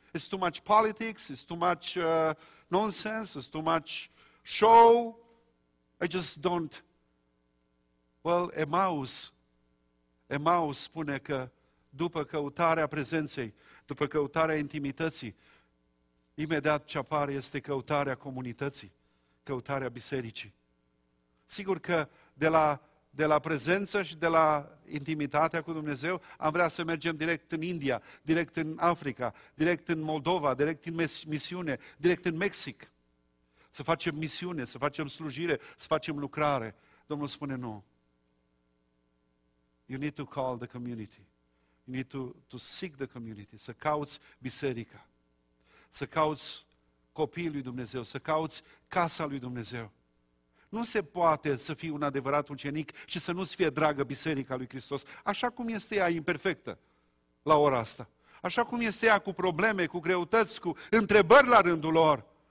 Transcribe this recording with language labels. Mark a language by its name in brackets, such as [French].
[English] It's too much politics, it's too much nonsense, it's too much show. I just don't. [Romanian] Well, Emaus spune că după căutarea prezenței, după căutarea intimității, imediat ce apare este căutarea comunității. Căutarea bisericii. Sigur că de la prezență și de la intimitatea cu Dumnezeu, am vrea să mergem direct în India, direct în Africa, direct în Moldova, direct în misiune, direct în Mexic. Să facem misiune, să facem slujire, să facem lucrare. Domnul spune nu. [English] You need to call the community. You need to seek the community. [Romanian] Să cauți biserica. Să cauți copiii lui Dumnezeu, să cauți casa lui Dumnezeu. Nu se poate să fii un adevărat ucenic și să nu-ți fie dragă biserica lui Hristos, așa cum este ea imperfectă la ora asta, așa cum este ea cu probleme, cu greutăți, cu întrebări la rândul lor.